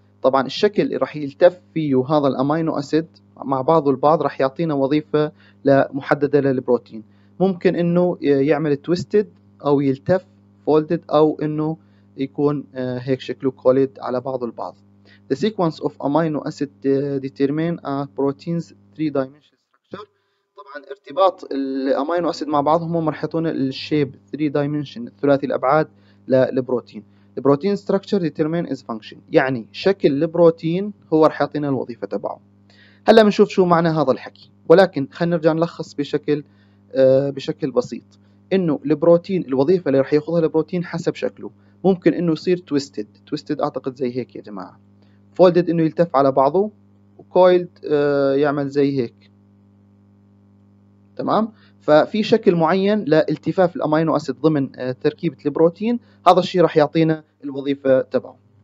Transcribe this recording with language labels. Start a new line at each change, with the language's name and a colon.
Arabic: طبعا الشكل اللي راح يلتف فيه هذا الأمينو أسيد مع بعضه البعض راح يعطينا وظيفة محددة للبروتين، ممكن إنه يعمل تويستد أو يلتف فولدد أو إنه يكون هيك شكله كوليد على بعضه البعض.
English: The sequence of amino acid determine a protein's three-dimensional structure. طبعا
Arabic: عن ارتباط الامينو اسيد مع بعضهم، هم راح يعطونا الشيب 3 دايمنشن، ثلاثي الابعاد للبروتين.
English: البروتين structure determine is function,
Arabic: يعني شكل البروتين هو راح يعطينا الوظيفه تبعه. هلا بنشوف شو معنى هذا الحكي، ولكن خلينا نرجع نلخص بشكل بسيط، انه البروتين الوظيفه اللي راح ياخذها البروتين حسب شكله، ممكن انه يصير تويستد، تويستد اعتقد زي هيك يا جماعه، فولدد انه يلتف على بعضه، وكويلد يعمل زي هيك، تمام؟ ففي شكل معين لالتفاف الامينو اسيد ضمن تركيبه البروتين، هذا الشيء راح يعطينا الوظيفه تبعه.